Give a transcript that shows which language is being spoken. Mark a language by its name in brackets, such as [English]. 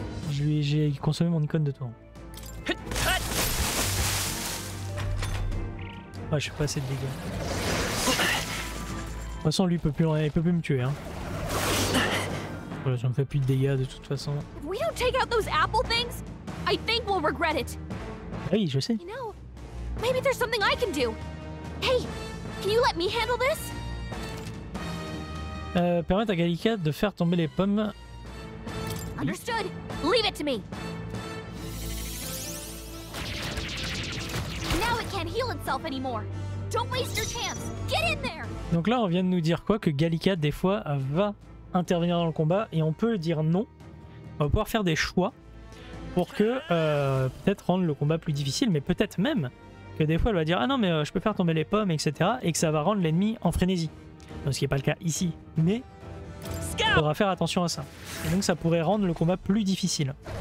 [French] J'ai consommé mon icône de tour. Ouais, je fais pas assez de dégâts. De toute façon, lui, il peut plus me tuer. Hein. J'en fais plus de dégâts de toute façon. [English] If we don't take out those apple things, I think we'll regret it. [French] Oui, je sais. [English] You know, maybe there's something I can do. Hey, can you let me handle this? [French] Permettre à Gallica de faire tomber les pommes. [English] Understood. Leave it to me. Now it can't heal itself anymore. Don't waste your chance. Get in there. [French] Donc là, on vient de nous dire quoi? Que Gallica des fois va intervenir dans le combat et on peut dire non, on va pouvoir faire des choix pour que peut-être rendre le combat plus difficile, mais peut-être même que des fois elle va dire ah non mais je peux faire tomber les pommes etc et que ça va rendre l'ennemi en frénésie, donc, ce qui n'est pas le cas ici, mais il faudra faire attention à ça et donc ça pourrait rendre le combat plus difficile.